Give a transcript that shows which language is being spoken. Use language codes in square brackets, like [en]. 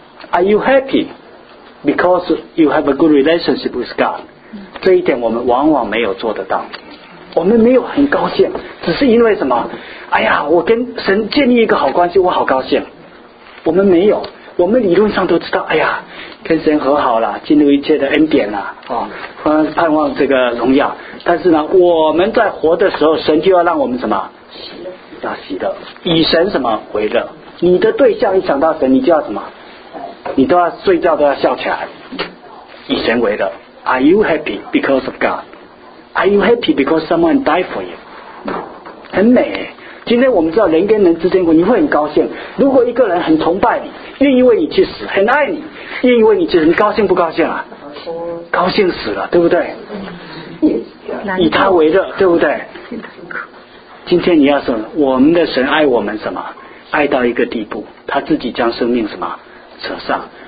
[en] Are you happy because you have a good relationship with God？ [zh] 这一点我们往往没有做得到，我们没有很高兴，只是因为什么？哎呀，我跟神建立一个好关系，我好高兴。我们没有，我们理论上都知道，哎呀，跟神和好了，进入一切的恩典了，哦，盼望这个荣耀。但是呢，我们在活的时候，神就要让我们什么？要喜乐，以神什么为乐。你的对象一想到神，你就要什么？你都要睡觉都要笑起来，以神为乐。 [en] Are you happy because of God? Are you happy because someone died for you? [zh] 很美。今天我们知道人跟人之间，你会很高兴。如果一个人很崇拜你，愿意为你去死，很爱你，愿意为你去死，你高兴不高兴啊？高兴死了，对不对？以他为乐，对不对？今天你要说，我们的神爱我们什么？爱到一个地步，他自己将生命什么舍上。